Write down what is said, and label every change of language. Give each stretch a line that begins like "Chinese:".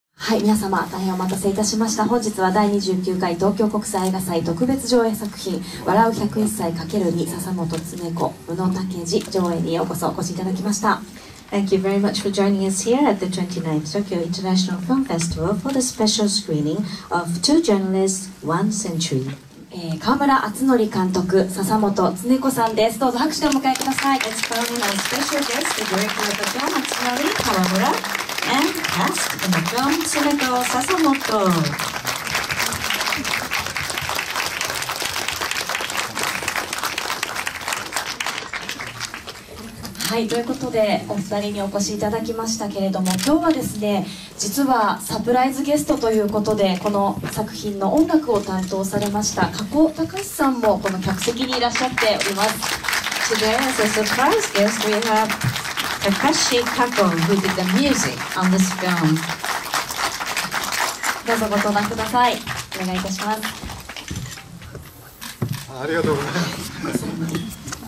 Japanese: はい、皆様大変お待たせいたしました。本日は第29回東京国際映画祭特別上映作品笑う101歳 ×2 笹本恒子宇野武二上映にようこそお越しいただきました。
English: Thank you very much for joining us here at the 29th Tokyo International Film Festival for the special screening of Two Journalists, One Century.
Japanese: 川村敦則監督、笹本恒子さんです。どうぞ拍手でお迎えください。
English: It's from our special guest, the director of the film, 敦則、川村、and cast in the film, 恒子、笹本。
Japanese: はい、ということでお二人にお越しいただきましたけれども、今日はですね、実はサプライズゲストということで、この作品の音楽を担当されました加古隆史さんもこの客席にいらっしゃっております。
English: Today as a surprise guest we have Takashi Kako who did the music on this film.
Japanese: どうぞご登壇ください。お願いいたします。ありがとうございます。